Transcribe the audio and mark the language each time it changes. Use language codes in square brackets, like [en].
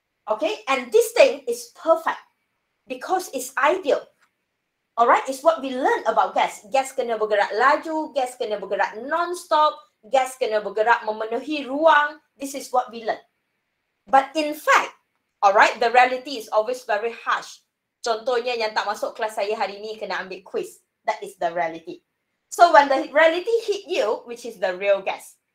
[en] Okay, and this thing is perfect because it's ideal. Alright, it's what we learn about gas. [ms] Gas kena bergerak laju, gas kena bergerak non-stop, gas kena bergerak memenuhi ruang. [en] This is what we learn. But in fact, alright, the reality is always very harsh. [ms] Contohnya yang tak masuk kelas saya hari ni kena ambil quiz. [en] That is the reality. So when the reality hit you, which is the real gas.